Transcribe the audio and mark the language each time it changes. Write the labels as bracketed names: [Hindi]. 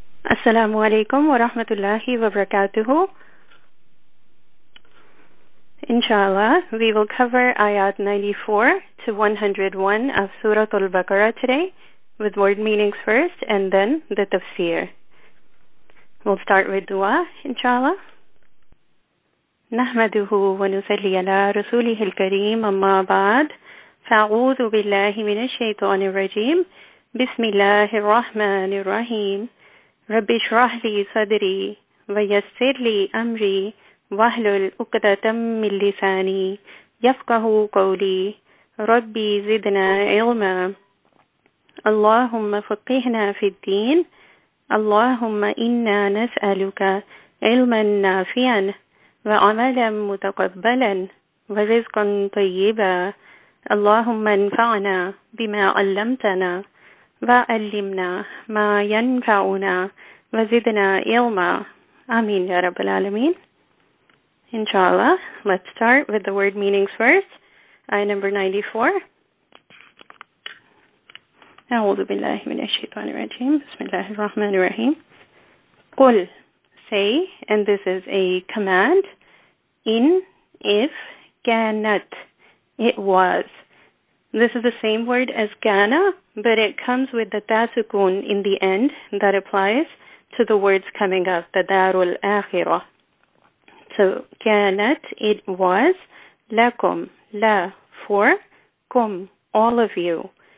[Arabic] السلام عليكم ورحمة الله وبركاته. إن شاء الله [English] we will cover آيات 94 to 101 of [Arabic] سورة البقرة [English] today with word meanings first and then the tafsir. We'll start with dua, [Arabic] إن شاء الله. نحمده ونصلي على رسوله الكريم أما بعد فأعوذ بالله من الشيطان الرجيم بسم الله الرحمن الرحيم رب اشرح لي صدري ويسر لي امري واحلل عقدة من لساني يفقهوا قولي ربي زدنا علما اللهم فقهنا في الدين اللهم انا نسالك علما نافعا وعملا متقبلا ورزقا طيبا اللهم انفعنا بما علمتنا وعلمنا ما ينفعنا وزدنا علما آمين يا رب العالمين. إن شاء الله [English] let's start with the word meanings first. آية number 94. [Arabic] أعوذ بالله من الشيطان الرجيم بسم الله الرحمن الرحيم قل [English] say and this is a command [Arabic] إن if كانت [English] it was. This is the same word as kana, but it comes with the ta sukun in the end that applies to the words coming up, the darul akhirah. So, kanat, it was, lakum, la, for, kum, all of you.